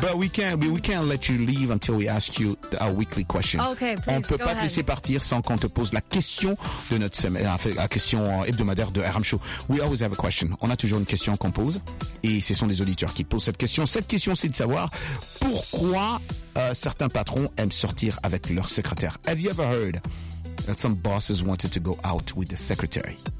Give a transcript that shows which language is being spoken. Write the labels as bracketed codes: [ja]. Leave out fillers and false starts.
[en] But we can't let you leave until we ask you a weekly question. Okay, please, go ahead. [fr] On ne peut pas te laisser partir sans qu'on te pose la question de notre la question hebdomadaire de RM Show. [en] We always have a question. [fr] On a toujours une question qu'on pose. Et ce sont des auditeurs qui posent cette question. Cette question, c'est de savoir pourquoi certains patrons aiment sortir avec leur secrétaire. [en] Have you ever heard that some bosses wanted to go out with the secretary?